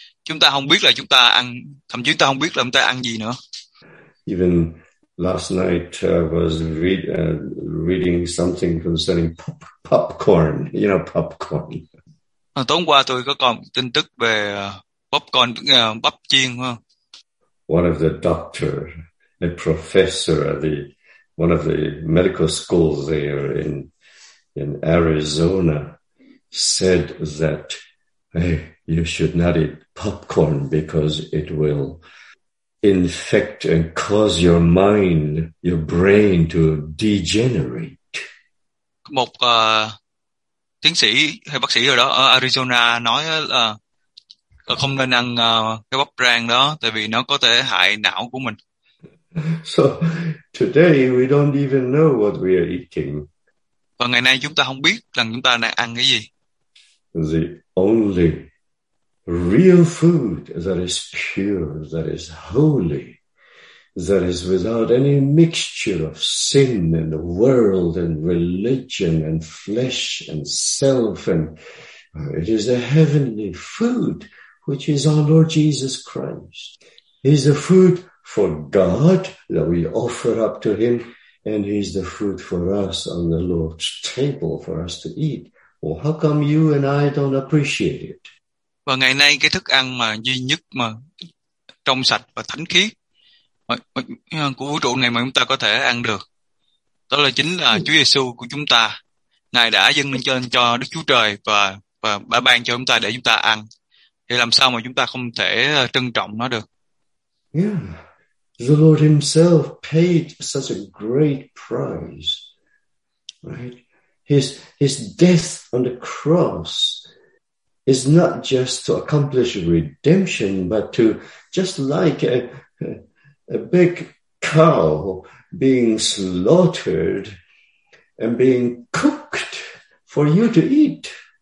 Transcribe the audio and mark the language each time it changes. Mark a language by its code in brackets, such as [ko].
[vi] Chúng ta không biết là chúng ta ăn, thậm chí ta không biết là chúng ta ăn gì nữa. [en] Even last night I was reading something concerning popcorn. You know, popcorn. [vi] Tối hôm qua tôi có còn tin tức về popcorn, bắp chiên. Không? [en] One of the doctor, a professor at the one of the medical schools there in Arizona, said that hey, you should not eat popcorn because it will infect and cause your mind, your brain to degenerate. [vi] Một tiến sĩ hay bác sĩ ở đó ở Arizona nói là không nên ăn cái bắp rang đó tại vì nó có thể hại não của mình. [en] So today we don't even know what we are eating. [vi] Và ngày nay chúng ta không biết rằng chúng ta đang ăn cái gì. [en] The only real food that is pure, that is holy, that is without any mixture of sin and the world and religion and flesh and self, and it is the heavenly food, which is our Lord Jesus Christ. He's the food for God that we offer up to Him, and He's the food for us on the Lord's table for us to eat. Well, how come you and I don't appreciate it? [vi] Và ngày nay cái thức ăn mà duy nhất mà trong sạch và thánh khiết của vũ trụ này mà chúng ta có thể ăn được, đó là chính là Chúa Giêsu của chúng ta. Ngài đã dâng lên trên cho Đức Chúa Trời và đã ban cho chúng ta để chúng ta ăn. Thì làm sao mà chúng ta không thể trân trọng nó được? [en] Yeah, the Lord Himself paid such a great price, right? His death on the cross is not just to accomplish redemption, but to just like a big cow being slaughtered and being cooked for you to eat.